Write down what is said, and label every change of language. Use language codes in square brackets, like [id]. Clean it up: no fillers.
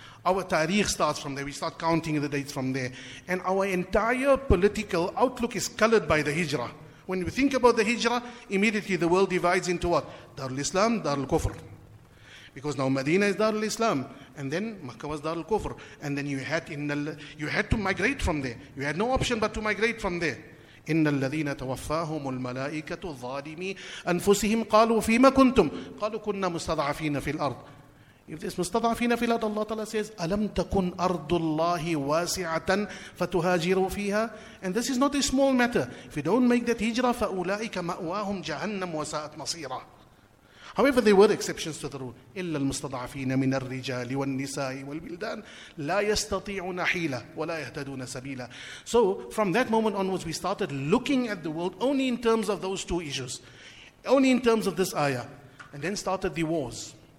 [en] Our tariq starts from there. We start counting the dates from there. And our entire political outlook is colored by the Hijrah. When we think about the Hijrah, immediately the world divides into what? Darul Islam, Darul Kufr. Because now Medina is Darul Islam, and then Makkah was Darul Kufr, and then you had to migrate from there. You had no option but to migrate from there. [ar] إِنَّ الَّذِينَ تَوَفَّاهُمُ الْمَلَائِكَةُ الظَّالِمِي أَنفُسِهِمْ قَالُوا فِيمَ كُنْتُمْ قَالُوا كُنَّا مُسْتَضْعَفِينَ فِي الْأَرْضِ. [en] If this [ar] مُسْتَضْعَفِينَ فِي الْأَرْضِ, [en] Allah Ta'ala says, [ar] أَلَمْ تَكُنْ أَرْضُ اللَّهِ وَاسِعَةً فَتُهَاجِرُوا فِيهَا. [en] And this is not a small matter. If you don't make that hijrah, [ar] فَأُولَئِكَ مَأْوَاهُمْ جَهَنَّمُ وَسَاءَتْ مَصِيرًا. [en] However, there were exceptions to the rule. [ar] إِلَّا الْمُسْتَضْعَفِينَ مِنَ الرِّجَالِ وَالنِّسَاءِ وَالْبِلْدَانِ لَا يَسْتَطِيعُونَ حِيلًا وَلَا يَهْتَدُونَ سَبِيلًا. [en] So, from that moment onwards, we started looking at the world only in terms of those two issues, only in terms of this ayah, and then started the wars.